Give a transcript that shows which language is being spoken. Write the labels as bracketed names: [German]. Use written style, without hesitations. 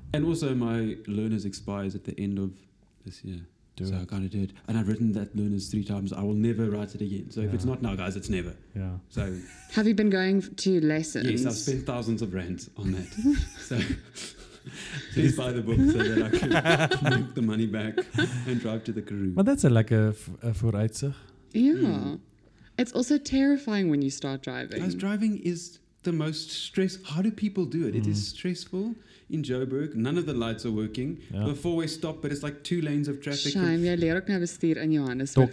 [English] And also my learner's expires at the end of this year. I kind of did. And I've written that learner's 3 times. I will never write it again. So if it's not now, guys, it's never. Yeah. So. Have you been going to lessons? Yes, I've spent thousands of rands on that. So please buy the book so that I can make the money back and drive to the Karoo. But that's a vooruitzicht. Yeah. Mm. It's also terrifying when you start driving. Guys, driving is the most stress. How do people do it? Mm. It is stressful. In Joburg, none of the lights are working. Yeah. The four-way stop, but it's like 2 lanes of traffic. [Afrikaans] Shame, jy leer ook nou bestuur in Johannesburg.